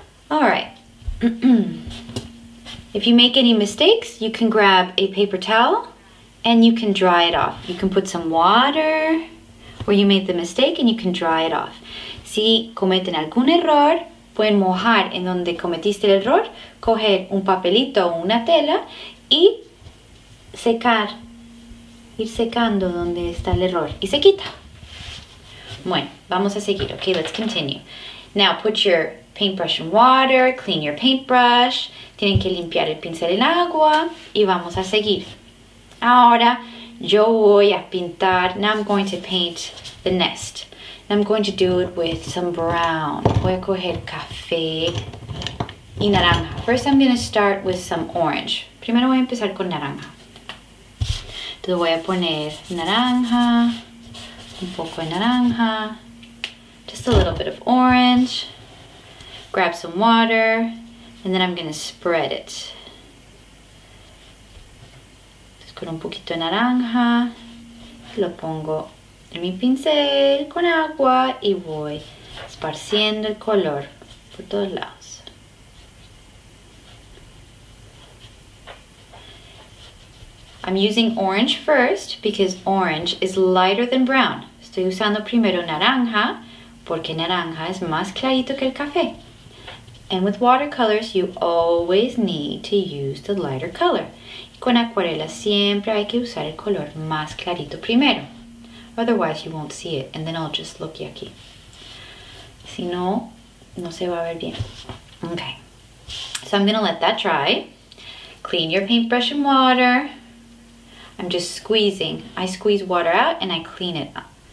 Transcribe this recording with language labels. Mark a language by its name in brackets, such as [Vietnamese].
[English] All right. If you make any mistakes, you can grab a paper towel and you can dry it off. You can put some water where you made the mistake and you can dry it off. [Spanish] Si cometen algún error, pueden mojar en donde cometiste el error, coger un papelito o una tela y secar. Ir secando donde está el error y se quita. Bueno, vamos a seguir. [English] Okay, let's continue. Now put your paintbrush in water, clean your paintbrush. [Spanish] Tienen que limpiar el pincel en agua y vamos a seguir. Ahora yo voy a pintar. [English] Now I'm going to paint the nest. And I'm going to do it with some brown. [Spanish] Voy a coger café y naranja. [English] First I'm going to start with some orange. [Spanish] Primero voy a empezar con naranja. Entonces voy a poner naranja, un poco de naranja, [English] just a little bit of orange. Grab some water, and then I'm going to spread it. [Spanish] Entonces con un poquito de naranja, lo pongo en mi pincel con agua y voy esparciendo el color por todos lados. [English] I'm using orange first because orange is lighter than brown. [Spanish] Estoy usando primero naranja porque naranja es más clarito que el café. [English] And with watercolors, you always need to use the lighter color. [Spanish] Y con acuarela siempre hay que usar el color más clarito primero. [English] Otherwise, you won't see it, and then I'll just look yucky. [Spanish] Si no, no se va a ver bien. [English] Okay. So I'm gonna let that dry. Clean your paintbrush in water. I'm just squeezing. I squeeze water out and I clean it up.